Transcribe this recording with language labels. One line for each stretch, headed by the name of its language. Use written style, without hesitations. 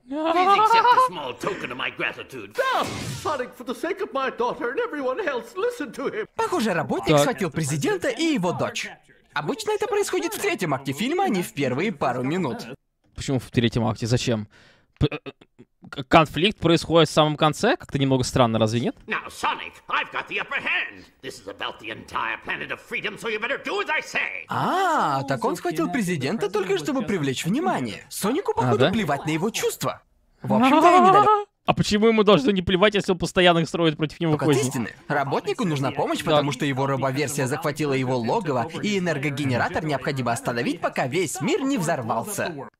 Russian: Похоже, работник схватил президента и его дочь. Обычно это происходит в третьем акте фильма, а не в первые пару минут. Почему в третьем акте? Зачем? Конфликт происходит в самом конце? Как-то немного странно, разве нет?
English: Now, Sonic, I've got the upper hand. This is about the entire planet of freedom, so you better do as I say.
Russian: А, так он схватил президента только чтобы привлечь внимание. Сонику, походу, да? Плевать на его чувства. В общем-то, я недалеко. А почему ему должно не плевать, если он постоянно их строит против него козни? Только истины. Работнику нужна помощь, да. Потому что его робоверсия захватила его логово, и энергогенератор необходимо остановить, пока весь мир не взорвался.